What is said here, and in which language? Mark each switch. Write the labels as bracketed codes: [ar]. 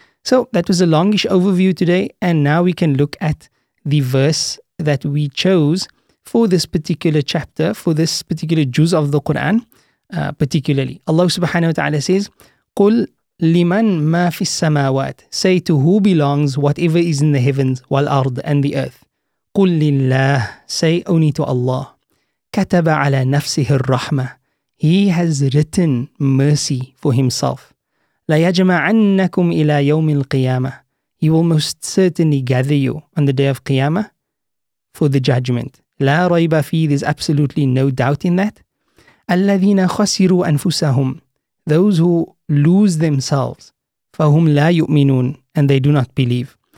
[en] So that was a longish overview today, and now we can look at the verse that we chose for this particular chapter, for this particular juz of the Quran, particularly. Allah subhanahu wa ta'ala says, [ar] قُلْ لِمَنْ مَا فِي السَّمَاوَاتِ, [en] say to who belongs whatever is in the heavens, وَالْأَرْضِ, and the earth. [ar] قُلْ لِلَّهِ, [en] say only to Allah. [ar] كَتَبَ عَلَى نَفْسِهِ الرَّحْمَةِ, [en] He has written mercy for Himself. [ar] لَيَجْمَعَنَّكُمْ إِلَى يَوْمِ الْقِيَامَةِ, [en] He will most certainly gather you on the day of Qiyamah for the judgment. [ar] لا ريب فيه, [en] there's absolutely no doubt in that. [ar] الذين خسروا أنفسهم, [en] those who lose themselves, [ar] فهم لا يؤمنون, [en] and they do not believe.